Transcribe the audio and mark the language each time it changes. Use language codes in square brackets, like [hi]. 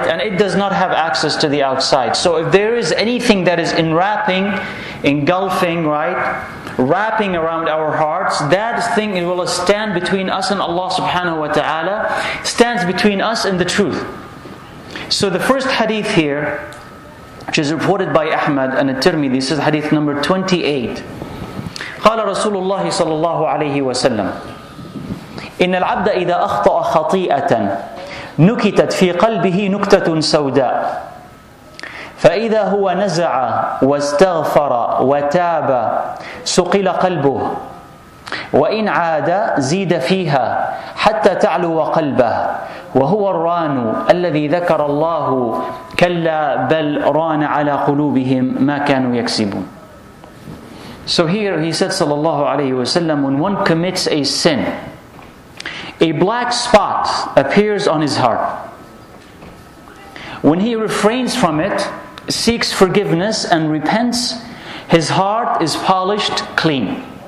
[en] And it does not have access to the outside. So if there is anything that is enwrapping, engulfing, right, wrapping around our hearts, that thing will stand between us and Allah subhanahu wa ta'ala, stands between us and the truth. So the first hadith here, which is reported by Ahmad and al-Tirmidhi, this is hadith number 28. [ar] قال رسول الله صلى الله عليه وسلم إن العبد إذا أخطأ خطيئة نكتت في قلبه نكتة سوداء فإذا هو نزع واستغفر وتاب سقل قلبه وإن عاد زيد فيها حتى تعلو قلبه وهو الران الذي ذكر الله كلا بل ران على قلوبهم ما كانوا يكسبون. [en] So here he said, sallallahu alayhi wa sallam, when one commits a sin, a black spot appears on his heart. When he refrains from it, seeks forgiveness and repents, his heart is polished clean.